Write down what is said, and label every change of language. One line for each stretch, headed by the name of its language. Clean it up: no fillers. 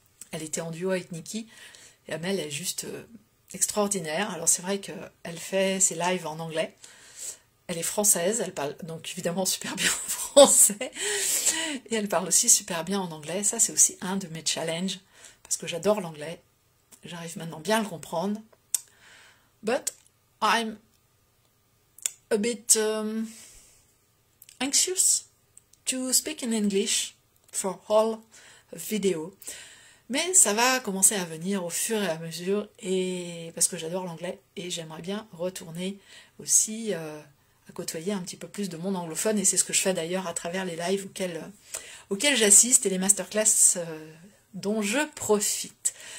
French: Elle était en duo avec Nikki et Amel est juste extraordinaire. Alors c'est vrai qu'elle fait ses lives en anglais. Elle est française, elle parle donc évidemment super bien français et elle parle aussi super bien en anglais. Ça, c'est aussi un de mes challenges parce que j'adore l'anglais. J'arrive maintenant bien à le comprendre.
English: But I'm a bit anxious to speak in English for all video.
French: Mais ça va commencer à venir au fur et à mesure et parce que j'adore l'anglais et j'aimerais bien retourner aussi côtoyer un petit peu plus de monde anglophone et c'est ce que je fais d'ailleurs à travers les lives auxquels j'assiste et les masterclass dont je profite.